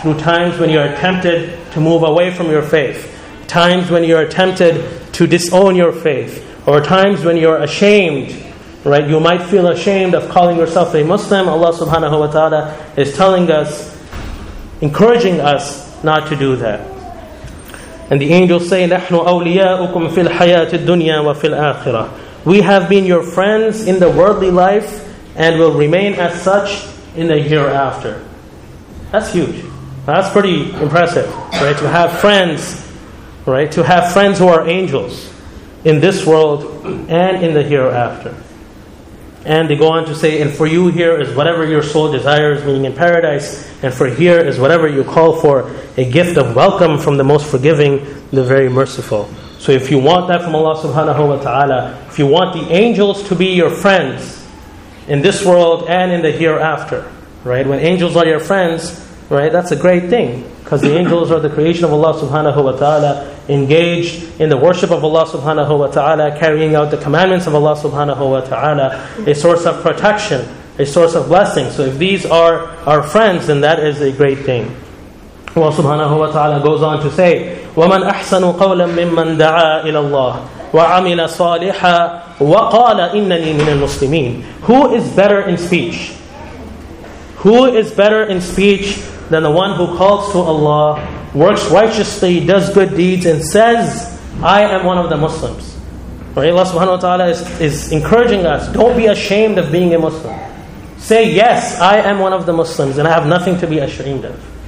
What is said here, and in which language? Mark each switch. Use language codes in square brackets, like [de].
[en] Through times when you are tempted to move away from your faith, times when you are tempted to disown your faith, or times when you are ashamed, right? You might feel ashamed of calling yourself a Muslim. Allah subhanahu wa ta'ala is telling us, encouraging us not to do that. And the angels say, [ar] نَحْنُ أَوْلِيَاءُكُمْ فِي الْحَيَاةِ الدُّنْيَا وَفِي الْآخِرَةِ. [en] We have been your friends in the worldly life and will remain as such in the hereafter. That's huge. That's pretty impressive, right? To have friends, right? To have friends who are angels in this world and in the hereafter. And they go on to say, and for you here is whatever your soul desires, meaning in paradise. And for here is whatever you call for, a gift of welcome from the most forgiving, the very merciful. So if you want that from Allah subhanahu wa ta'ala, if you want the angels to be your friends in this world and in the hereafter, right? When angels are your friends, right? That's a great thing. Because the angels are the creation of Allah subhanahu wa ta'ala, engaged in the worship of Allah subhanahu wa ta'ala, carrying out the commandments of Allah subhanahu wa ta'ala, a source of protection, a source of blessing. So if these are our friends, then that is a great thing. Allah subhanahu wa ta'ala goes on to say, [ar] وَمَنْ أَحْسَنُ قَوْلًا مِمَّنْ دَعَى إِلَى اللَّهِ وَعَمِلَ صَالِحًا وَقَالَ إِنَّنِي مِنَ الْمُسْلِمِينَ. [en] Who is better in speech? Who is better in speech than the one who calls to Allah, works righteously, does good deeds, and says, I am one of the Muslims. Right? Allah subhanahu wa ta'ala is encouraging us, don't be ashamed of being a Muslim. Say, yes, I am one of the Muslims, and I have nothing to be ashamed of.